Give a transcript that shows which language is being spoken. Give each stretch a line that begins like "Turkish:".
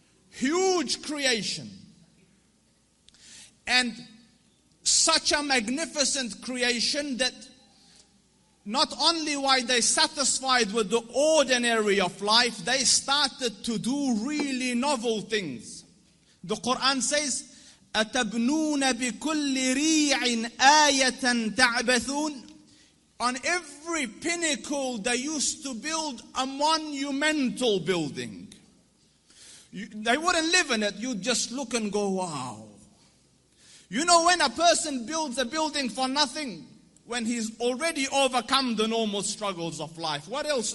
English: Huge creation. And such a magnificent creation that not only were they satisfied with the ordinary of life, they started to do really novel things. The Quran says,
Arabic: أَتَبْنُونَ بِكُلِّ رِيعٍ آيَةً تَعْبَثُونَ.
English: On every pinnacle they used to build a monumental building. They wouldn't live in it, you'd just look and go, wow. You know when a person builds a building for nothing, when he's already overcome the normal struggles of life, what else?